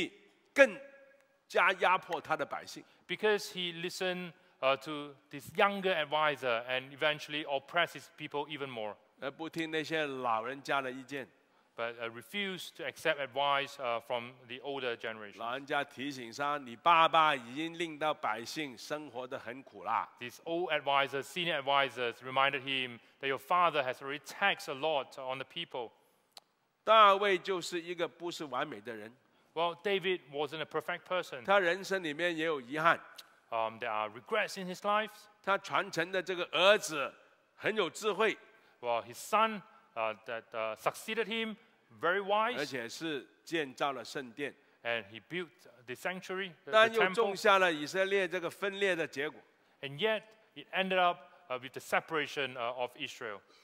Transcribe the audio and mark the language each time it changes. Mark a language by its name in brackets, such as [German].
[Chinese] 但他的儿子就因为听那些年轻的人的建议，更加压迫他的百姓. [English] Because he listened to this younger advisor and eventually oppressed his people even more. [Chinese] 而不听那些老人家的意见. [English] But refused to accept advice from the older generation. [Chinese] 老人家提醒他，你爸爸已经令到百姓生活得很苦了。 [English] These old advisors, senior advisors, reminded him that your father has already taxed a lot on the people. [Chinese] 大卫就是一个不是完美的人。 [English] Well, David wasn't a perfect person. [Chinese] 他人生里面也有遗憾。 [English] There are regrets in his life. [Chinese] 他传承的这个儿子很有智慧。 [English] Well, his son succeeded him. Very wise, and he built the sanctuary, the temple, and yet it ended up with the separation of Israel.